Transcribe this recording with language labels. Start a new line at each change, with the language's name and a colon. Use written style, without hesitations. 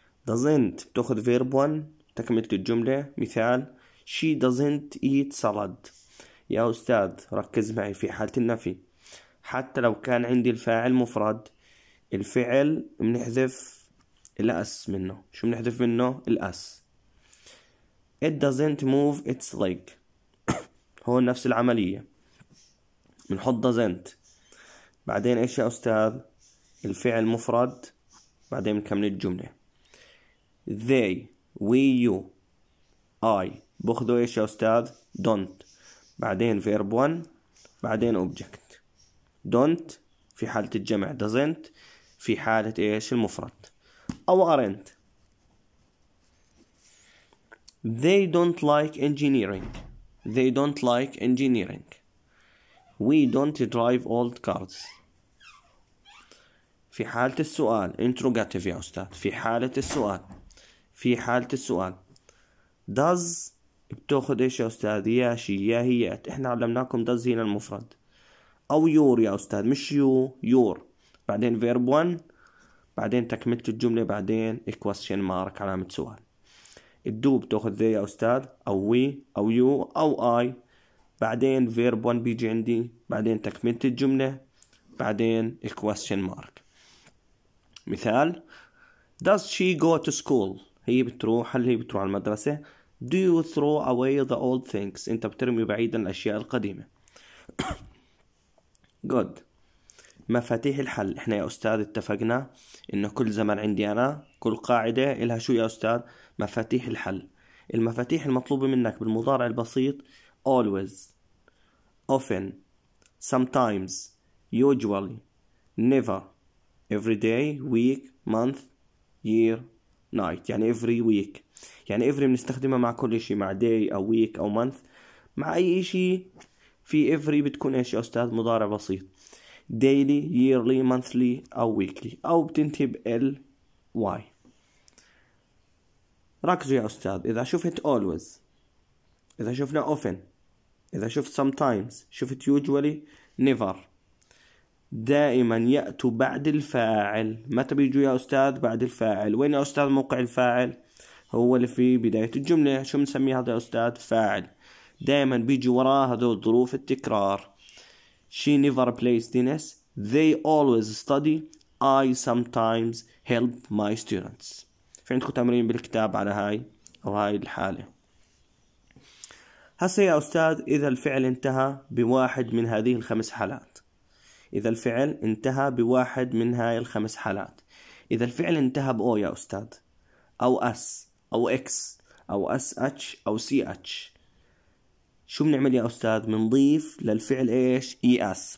Arabic: doesn't بتاخد verb 1 تكملة الجملة.
English: مثال: she doesn't eat salad.
Arabic: يا أستاذ ركز معي، في حالة النفي حتى لو كان عندي الفاعل مفرد، الفعل منحذف الأس منه. شو منحذف منه؟ الأس.
English: it doesn't move its leg.
Arabic: هو نفس العملية، بنحط doesn't، بعدين ايش يا استاذ؟ الفعل مفرد، بعدين بنكمل الجملة. they we you I باخذوا ايش يا استاذ؟ don't، بعدين verb 1، بعدين object. don't في حالة الجمع، doesn't في حالة ايش؟ المفرد. او aren't.
English: they don't like engineering. they don't like engineering. we don't drive old cars.
Arabic: في حالة السؤال interrogative يا أستاذ، في حالة السؤال، في حالة السؤال. does بتاخد إيش يا أستاذ؟ يا شي يا هيات. إحنا علمناكم does هنا المفرد، أو your يا أستاذ، مش you، your، بعدين verb 1، بعدين تكملة الجملة، بعدين
English: a question mark
Arabic: علامة سؤال. الدو بتاخذ ذي يا أستاذ، أو وي أو يو أو آي، بعدين verb 1 بيجي عندي، بعدين تكملة الجملة، بعدين
English: a question mark.
Arabic: مثال:
English: does she go to school؟
Arabic: هي بتروح، هل هي بتروح على المدرسة؟
English: do you throw away the old things؟
Arabic: أنت بترمي بعيدا الأشياء القديمة.
English: good.
Arabic: مفاتيح الحل، احنا يا استاذ اتفقنا انه كل زمن عندي انا، كل قاعدة لها شو يا استاذ؟ مفاتيح الحل. المفاتيح المطلوبة منك بالمضارع البسيط:
English: always، often، sometimes، usually، never، every day، week، month، year، night.
Arabic: يعني every week، يعني every بنستخدمها مع كل شيء، مع day او week او month، مع اي شيء في every بتكون ايش يا استاذ؟ مضارع بسيط.
English: daily، yearly، monthly أو weekly،
Arabic: أو بتنتهي بال
English: y.
Arabic: ركزوا يا أستاذ، إذا شفت always، إذا شفنا often، إذا شفت sometimes، شفت usually، never، دائما يأتوا بعد الفاعل. متى بيجوا يا أستاذ؟ بعد الفاعل. وين يا أستاذ موقع الفاعل؟ هو اللي في بداية الجملة. شو بنسمي هذا يا أستاذ؟ فاعل. دائما بيجي وراه هذول ظروف التكرار:
English: she never plays tennis. they always study. I sometimes help my students.
Arabic: في عندكم تمرين بالكتاب على هاي أو هاي الحالة. هسه يا أستاذ، إذا الفعل انتهى بواحد من هذه الخمس حالات، إذا الفعل انتهى بواحد من هاي الخمس حالات، إذا الفعل انتهى بأو يا أستاذ، أو أس أو إكس أو أس أتش أو سي أتش، شو بنعمل يا أستاذ؟ بنضيف للفعل إيش؟ إي أس.